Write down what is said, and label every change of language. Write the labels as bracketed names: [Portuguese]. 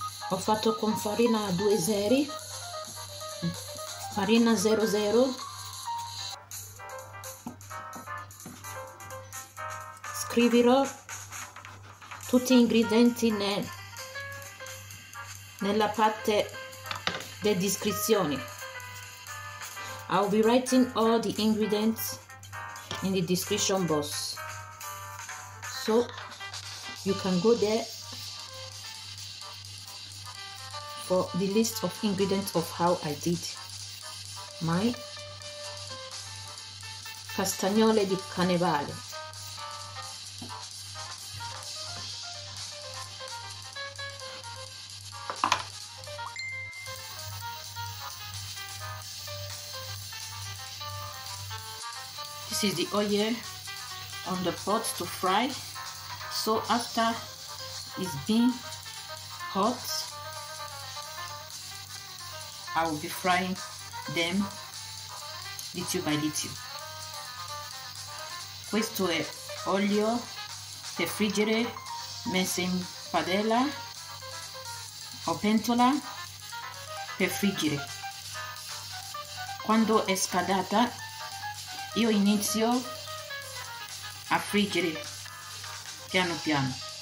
[Italian] Ho fatto con farina 2-0, farina 00. Scriverò tutti gli ingredienti nella parte delle descrizioni. [English] I'll be writing all the ingredients in the description box, so you can go there for the list of ingredients of how I did my castagnole di carnevale. This is the oil on the pot to fry. So after it's been hot, I will be frying them little by little. [Italian] Questo è olio per friggere messo in padella o pentola per friggere. Quando è scaldata, io inizio a friggere piano piano.